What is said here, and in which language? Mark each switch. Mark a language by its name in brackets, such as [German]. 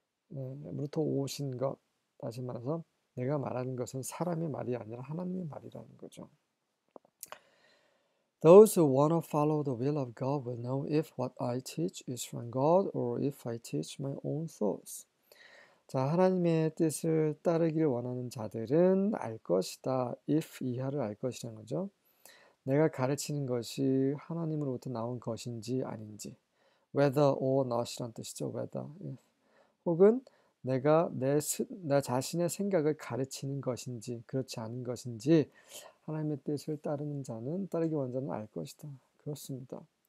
[Korean] 하나님의로부터 오신 것. 다시 말해서 내가 말하는 것은 사람의 말이 아니라 하나님의 말이라는 거죠. [English] Those who want to follow the will of God will know if what I teach is from God or if I teach my own thoughts. [Korean] 자, 하나님의 뜻을 따르기를 원하는 자들은 알 것이다. if 이하를 알 것이라는 거죠. 내가 가르치는 것이 하나님으로부터 나온 것인지 아닌지. whether or not이란 뜻이죠. whether, if. 혹은 내가 나 자신의 생각을 가르치는 것인지, 그렇지 않은 것인지, 하나님의 뜻을 따르는 자는, 따르기 원하는 자는 알 것이다. 그렇습니다.